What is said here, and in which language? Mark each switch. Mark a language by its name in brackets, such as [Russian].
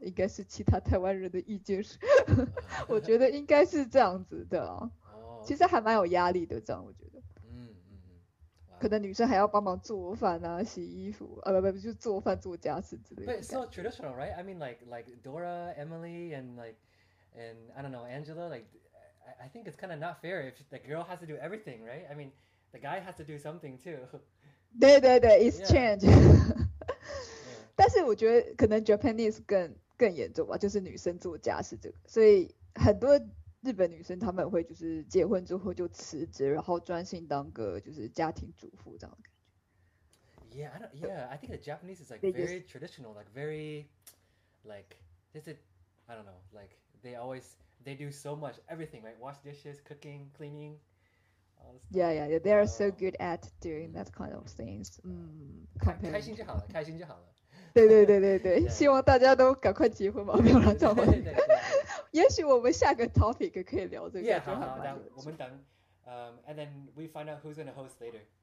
[Chinese] 应该是其他台湾人的意见是，我觉得应该是这样子的啊。其实还蛮有压力的，这样我觉得。可能女生还要帮忙做饭啊，洗衣服啊，不就做饭做家事之类的。 [English] But so traditional, right? I mean, like Dora, Emily, and I don't know Angela. Like, I think it's kind of not fair if the girl has to do everything, right? I mean, the guy has to do something too. [Chinese] 对对对 ， [English] it's change. Yeah. [Chinese] 但是我觉得可能 Japanese 更严重吧，就是女生做家事这个，所以很多。日本女生他们会就是结婚之后就辞职，然后专心当个就是家庭主妇这样的感觉。 [English] Yeah, I think the Japanese is like very traditional, like very, like is it? I don't know. Like they do so much everything, right? Wash dishes, cooking, cleaning. Yeah. They are so good at doing that kind of things. [Chinese] 开心就好了，开心就好了。对对对对对， [English] yeah. [Chinese] 希望大家都赶快结婚嘛，不要让这样。也许我们下个 topic 可以聊这个。 [English] Yeah, [Chinese] 好，我们等。 [English] And then we find out who's gonna host later.